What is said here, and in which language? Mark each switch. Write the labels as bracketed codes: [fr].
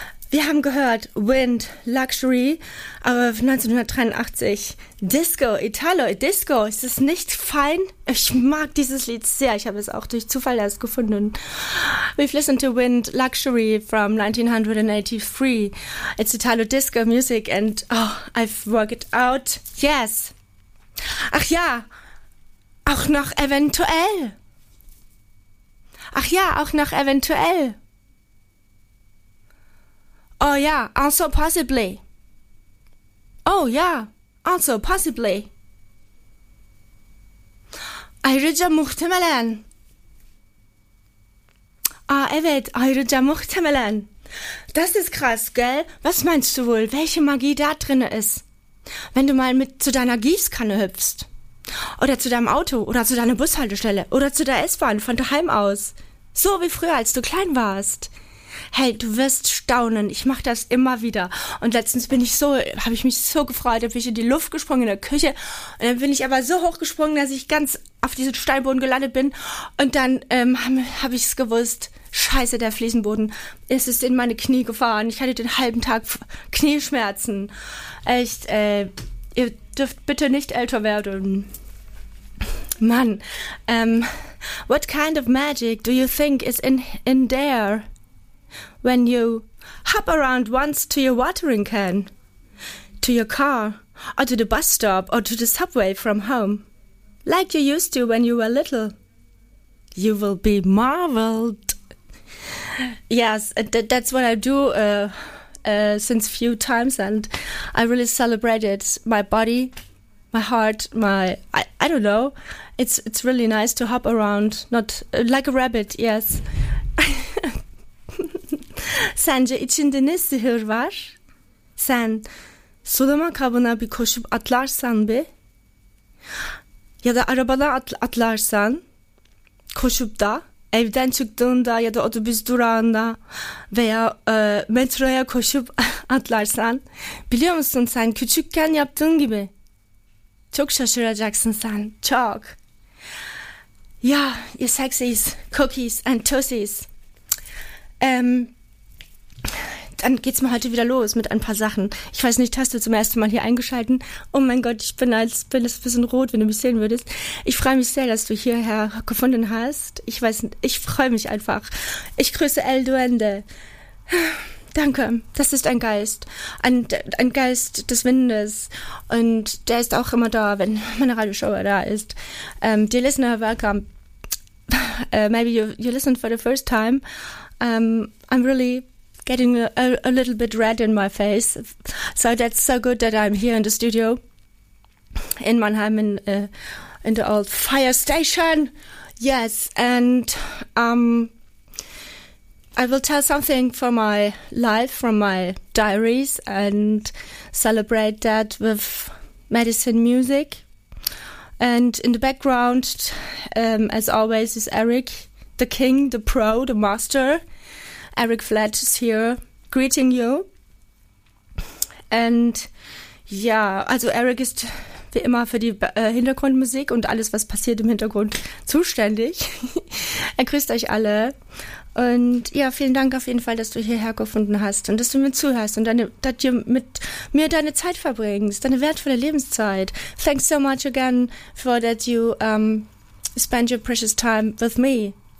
[de] Wir haben gehört Wind, Luxury, aber 1983, Disco, Italo, Disco. Ist es nicht fein? Ich mag dieses Lied sehr. Ich habe es auch durch Zufall erst gefunden. [en] We've listened to Wind, Luxury from 1983. It's Italo Disco Music and I've worked it out. Yes. [de] Ach ja, auch noch eventuell. Ach ja, auch noch eventuell. [en] Oh ja, also possibly. Oh ja, also possibly. [tr] Ayrıca muhtemelen. Ah evet, ayrıca muhtemelen. [de] Das ist krass, gell? Was meinst du wohl, welche Magie da drinne ist? Wenn du mal mit zu deiner Gießkanne hüpfst. Oder zu deinem Auto, oder zu deiner Bushaltestelle, oder zu der S-Bahn von daheim aus. So wie früher, als du klein warst. Hey, du wirst staunen. Ich mache das immer wieder. Und letztens habe ich mich so gefreut, da bin ich in die Luft gesprungen in der Küche. Und dann bin ich aber so hoch gesprungen, dass ich ganz auf diesen Steinboden gelandet bin. Und dann hab ich es gewusst. Scheiße, der Fliesenboden. Es ist in meine Knie gefahren. Ich hatte den halben Tag Knieschmerzen. Echt, ihr dürft bitte nicht älter werden. [en] Mann, what kind of magic do you think is in there? When you hop around once to your watering can, to your car, or to the bus stop, or to the subway from home, like you used to when you were little, you will be marveled. Yes, that's what I do since few times, and I really celebrated my body, my heart, I don't know. It's really nice to hop around, not like a rabbit, yes. [tr] Sence içinde ne sihir var? Sen sulama kabına bir koşup atlarsan be? Ya da arabada atlarsan koşup da evden çıktığında ya da otobüs durağında veya metroya koşup atlarsan biliyor musun sen küçükken yaptığın gibi? Çok şaşıracaksın sen, çok. [en] Ya, you sexies, cookies and toasties. [de] Dann geht's mal heute wieder los mit ein paar Sachen. Ich weiß nicht, hast du zum ersten Mal hier eingeschalten? Oh mein Gott, ich bin ein bisschen rot, wenn du mich sehen würdest. Ich freue mich sehr, dass du hierher gefunden hast. Ich weiß nicht, ich freue mich einfach. Ich grüße El Duende. Danke, das ist ein Geist. Ein Geist des Windes. Und der ist auch immer da, wenn meine Radioshow da ist. [en] Dear listener, welcome. Maybe you listened for the first time. I'm really getting a little bit red in my face. So that's so good that I'm here in the studio in Mannheim in the old fire station. Yes, and I will tell something for my life, from my diaries, and celebrate that with medicine music. And in the background, as always, is Eric, the king, the pro, the master. Eric Fletch is here greeting you. [de] And ja, also Eric ist wie immer für die Hintergrundmusik und alles, was passiert im Hintergrund, zuständig. Er grüßt euch alle. Und ja, vielen Dank auf jeden Fall, dass du hierher gefunden hast und dass du mir zuhörst und dass du mit mir deine Zeit verbringst, deine wertvolle Lebenszeit. [en] Thanks so much again for that you spend your precious time with me.